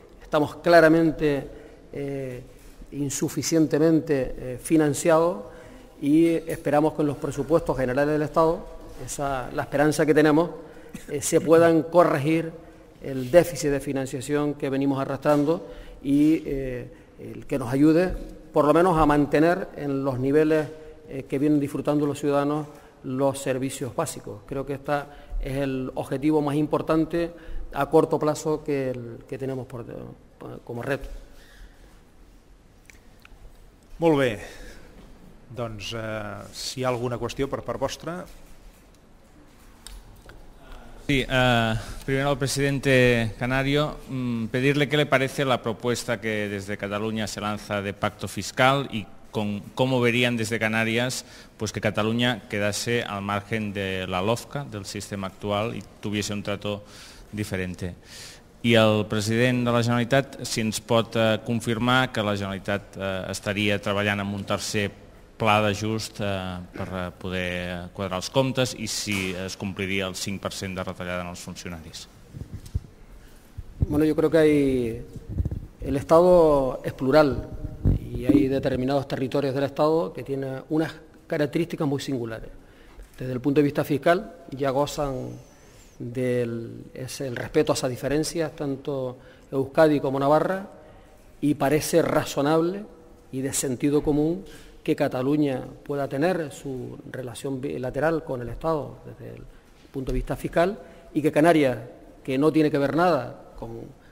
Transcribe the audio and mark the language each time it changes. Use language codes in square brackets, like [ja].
[es] Estamos claramente insuficientemente financiados y esperamos que en los presupuestos generales del Estado, la esperanza que tenemos, se puedan corregir el déficit de financiación que venimos arrastrando y el que nos ayude, por lo menos, a mantener en los niveles que vienen disfrutando los ciudadanos los servicios básicos. Creo que este es el objetivo más importante a corto plazo que el que tenemos como reto. [ca] Molt bé. Doncs, si hi ha alguna qüestió per part vostra. [es] Sí, primero al presidente Canario, pedirle qué le parece la propuesta que desde Cataluña se lanza de pacto fiscal y con cómo verían desde Canarias pues que Cataluña quedase al margen de la LOFCA, del sistema actual, y tuviese un trato diferente. [ca] i el president de la Generalitat, si ens pot confirmar que la Generalitat estaria treballant en un tercer pla d'ajust per poder quadrar els comptes i si es compliria el 5% de retallada en els funcionaris. [es] Bueno, yo creo que hay... el Estado es plural y hay determinados territorios del Estado que tienen unas características muy singulares. Desde el punto de vista fiscal ya gozan del es el respeto a esas diferencias, tanto Euskadi como Navarra, y parece razonable y de sentido común que Cataluña pueda tener su relación bilateral con el Estado desde el punto de vista fiscal y que Canarias, que no tiene que ver nada con